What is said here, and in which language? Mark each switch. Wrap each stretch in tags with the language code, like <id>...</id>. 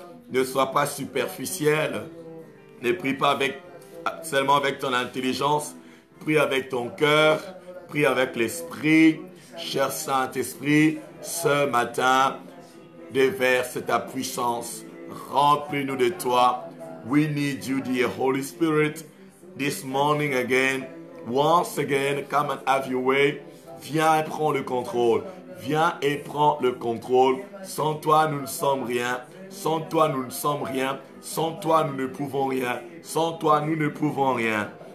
<fr>Ne sois pas superficiel, ne prie pas seulement avec ton intelligence, prie avec ton cœur, prie avec l'esprit. Cher Saint-Esprit, ce matin, déverse ta puissance, remplis-nous de toi.</fr> <en>We need you, dear Holy Spirit, this morning again. Once again, come and have your way.</en> <fr>Viens et prends le contrôle. Viens et prends le contrôle. Sans toi, nous ne sommes rien. Sans toi, nous ne sommes rien. Sans toi, nous ne pouvons rien. Sans toi, nous ne pouvons rien.</fr>